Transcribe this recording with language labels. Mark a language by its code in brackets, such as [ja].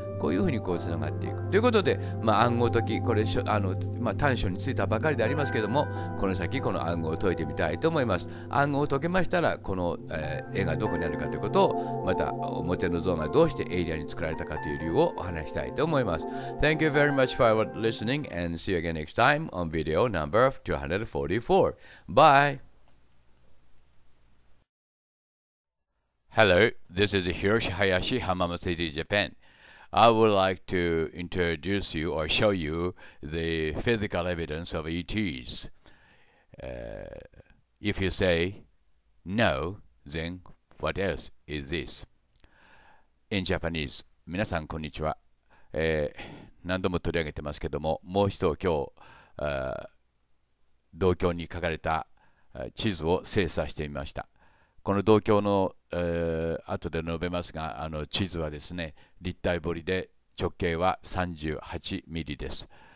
[ja] こういうふうにこうつながっていくということで、まあ、暗号解き、これ短所についたばかりでありますけども、この先この暗号を解いてみたいと思います。暗号を解けましたら、この、絵がどこにあるかということを、また表の像がどうしてエイリアンに作られたかという理由をお話したいと思います。 [en] Thank you very much for listening and see you again next time on video number 244. Bye. Hello, this is Hiroshi Hayashi, Hamamatsu City, Japan. I would like to introduce you or show you the physical evidence of ETs. If you say no, then what else is this? In Japanese, [ja] 皆さんこんにちは。何度も取り上げてますけども、もう一度今日、銅鏡に書かれた地図を精査してみました。この銅鏡の、後で述べますが、あの地図はですね、立体彫りで直径は38ミリです。